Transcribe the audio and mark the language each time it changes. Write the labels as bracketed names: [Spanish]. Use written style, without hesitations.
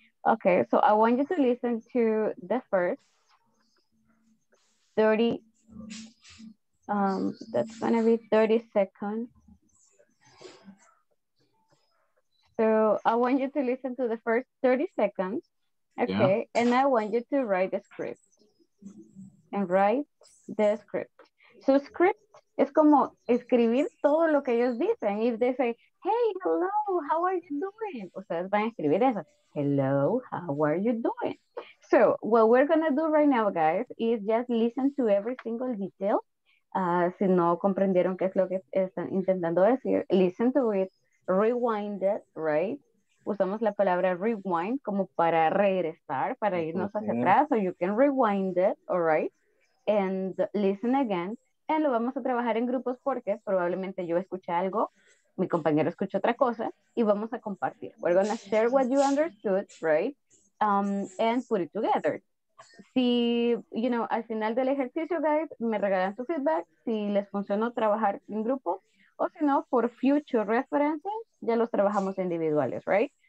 [English] Okay, so I want you to listen to the first 30, that's gonna be 30 seconds. So I want you to listen to the first 30 seconds, okay? Yeah. And I want you to write the script. And write the script. So script is [Spanish] como escribir todo lo que ellos dicen. [English] If they say, hey, hello, how are you doing? [Spanish] Ustedes van a escribir eso. [English] Hello, how are you doing? So what we're gonna do right now, guys, is just listen to every single detail. [Spanish] Si no comprendieron qué es lo que están intentando decir, [English] listen to it, rewind it, [Spanish] right? Usamos la palabra rewind como para regresar, para irnos hacia atrás. [English] So you can rewind it, all right? And listen again. [Spanish] Y lo vamos a trabajar en grupos porque probablemente yo escuché algo, mi compañero escuchó otra cosa y vamos a compartir. [English] We're going to share what you understood, right? And put it together. [Spanish] Si, [English] you know, [Spanish] al final del ejercicio, guys, me regalan su feedback, si les funcionó trabajar en grupo o si no, [English] for future references, [Spanish] ya los trabajamos individuales, right?